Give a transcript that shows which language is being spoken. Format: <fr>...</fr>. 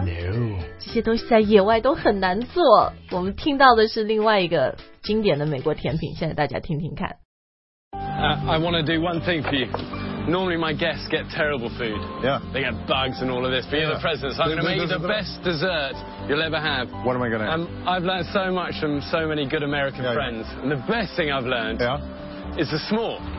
<en>No.</en> <zh>这些东西在野外都很难做。我们听到的是另外一个经典的美国甜品，现在大家听听看。</zh> <en>I want to do one thing for you. Normally my guests get terrible food. Yeah. They get bugs and all of this. But you're the president, so I'm going to make you the best dessert you'll ever have. What am I going to have? I've learned so much from so many good American friends. Yeah. And the best thing I've learned is the s'more.</en>